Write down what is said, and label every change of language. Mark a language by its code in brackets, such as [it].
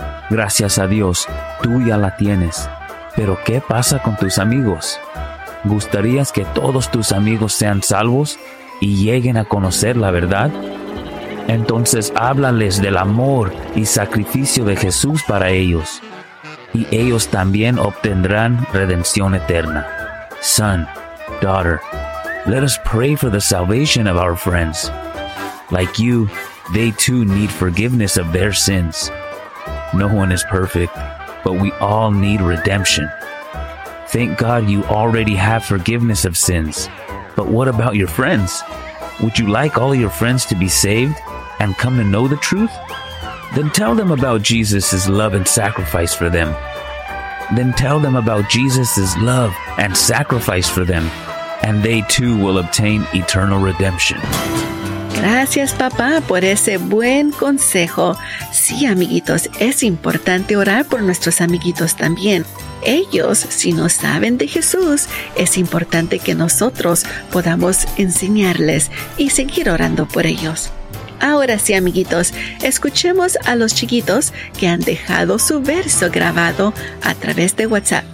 [es] Gracias a Dios, tú ya la tienes. ¿Pero qué pasa con tus amigos? ¿Gustarías que todos tus amigos sean salvos y lleguen a conocer la verdad? Entonces háblales del amor y sacrificio de Jesús para ellos, y ellos también obtendrán redención eterna. [en] Son, daughter, let us pray for the salvation of our friends. Like you, they too need forgiveness of their sins. No one is perfect, but we all need redemption. Thank God you already have forgiveness of sins. But what about your friends? Would you like all your friends to be saved and come to know the truth? Then tell them about Jesus' love and sacrifice for them. Then tell them about Jesus' love and sacrifice for them, and they too will obtain eternal redemption. [es] Gracias, papá, por ese buen consejo. Sí, amiguitos, es importante orar por nuestros amiguitos también. Ellos, si no saben de Jesús, es importante que nosotros podamos enseñarles y seguir orando por ellos. Ahora sí, amiguitos, escuchemos a los chiquitos que han dejado su verso grabado a través de WhatsApp.